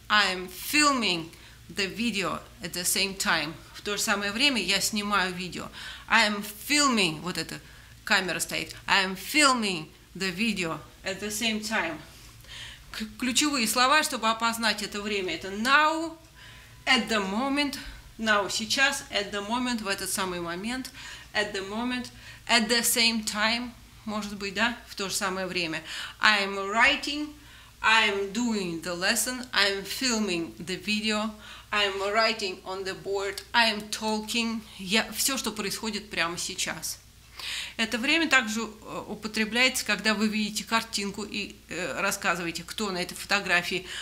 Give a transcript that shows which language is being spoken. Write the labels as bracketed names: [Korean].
[English] I am filming the video at the same time. [Russian] В то же самое время я снимаю видео. [English] I am filming. [Russian] Вот эта камера стоит. [English] I am filming the video at the same time. [Russian] Ключевые слова, чтобы опознать это время. Это [English] now, at the moment. Now, [Russian] сейчас, [English] at the moment, [Russian] в этот самый момент. [English] At the moment, at the same time. [Russian] Может быть, да, в то же самое время. [English] I'm writing, I'm doing the lesson, I'm filming the video, I'm writing on the board, I'm talking. [Russian] Я... Все, что происходит прямо сейчас. Это время также употребляется, когда вы видите картинку и рассказываете, кто на этой фотографии.